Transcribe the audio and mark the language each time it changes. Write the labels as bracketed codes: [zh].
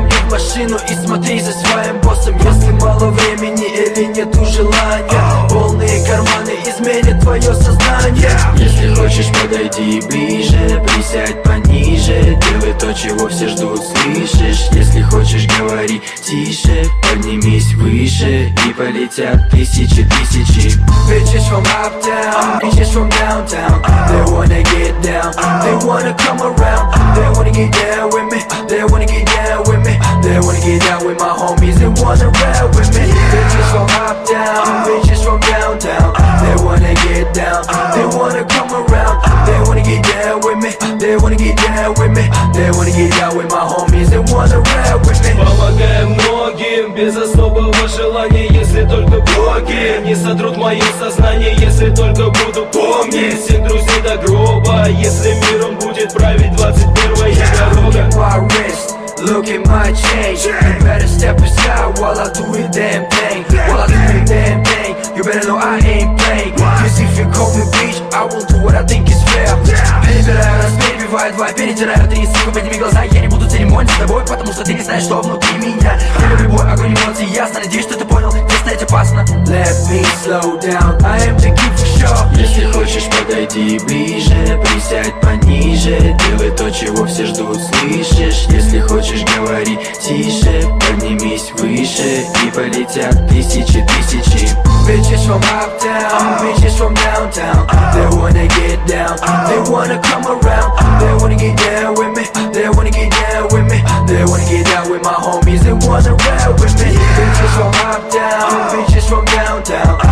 [ru] Машину и смотри за своим боссом. Если мало времени или нету желания, полные карманы изменят твое сознание. Если хочешь, подойди ближе, присядь пониже. Делай то, чего все ждут, слышишь? Если хочешь, говори тише, поднимись выше, и полетят тысячи, тысячи. [en] Bitches from uptown, bitches from downtown. They wanna get down, they wanna come around. They wanna get down with me, they wanna get down with me. They wanna get down with my homies, they wanna rap with me. Bitches from uptown, bitches from downtown. They wanna get down, they wanna come around. They wanna get down with me, they wanna get down with me. They wanna get down with my homies, they wanna rap with me. [ru] Помогаем многим без особого желания, если только боги не сотрут мое сознание, если только буду помнить всех друзей до гроба, если миром будет править 21-я дорога. [en] Look at my chain. You better step aside while I do it damn thing. While I do it damn thing, you better know I ain't playing. Cause if you call me bitch, I will do what I think is fair. [ru] Перебираю раз, перебиваю два, перетираю три, сука, подними глаза. Я не буду церемониться с тобой, потому что ты не знаешь, что внутри меня. Я люблю бой, огонь, эмоции, ясно, надеюсь, что ты понял, где стоять опасно. [en] Let me slow down, I am the king for sure. [ru] Если хочешь, подойди ближе, присядь пониже. Делай то, чего все ждут, слышишь? Если хочешь, говори тише, поднимись выше, и полетят тысячи, тысячи. [en] Bitches from uptown, bitches from downtown. They wanna get down, they wanna come around. They wanna get down with me, they wanna get down with me. They wanna get down with my homies, they wanna rap with me. Bitches from uptown, bitches from downtown.